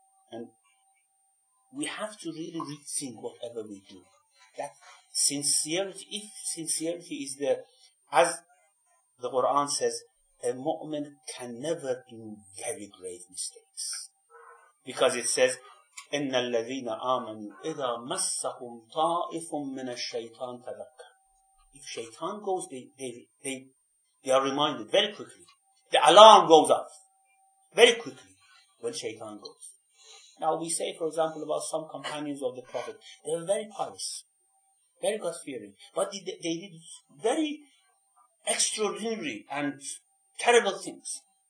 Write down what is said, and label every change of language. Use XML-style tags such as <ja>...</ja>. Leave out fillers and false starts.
<en>And we have to really rethink whatever we do. That sincerity, if sincerity is there, as the Quran says, a mu'min can never do very grave mistakes. Because it says,</en> <ar>إِنَّ الَّذِينَ آمَنُوا إِذَا مَسَّهُمْ طَائِفٌ مِّنَ الشَّيْطَانِ تَذَكَّرُوا.</ar> <en>If shaitan goes, they are reminded very quickly. The alarm goes off very quickly when shaitan goes. Now we say, for example, about some companions of the Prophet. They were very pious, very God-fearing. But they did very extraordinary and terrible things.</en>